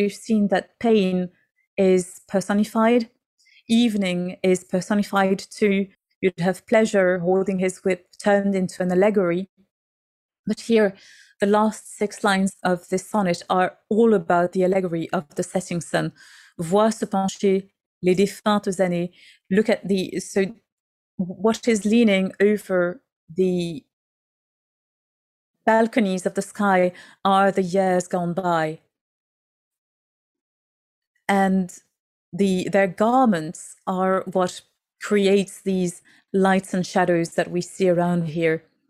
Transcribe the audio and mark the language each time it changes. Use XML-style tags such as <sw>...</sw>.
<en>We've seen that pain is personified. Evening is personified too. You'd have pleasure holding his whip turned into an allegory. But here, the last six lines of this sonnet are all about the allegory of the setting sun.</en> <fr>Vois se pencher les défuntes années.</fr> <en>Look at the, so what is leaning over the balconies of the sky are the years gone by. And their garments are what creates these lights and shadows that we see around here.</en>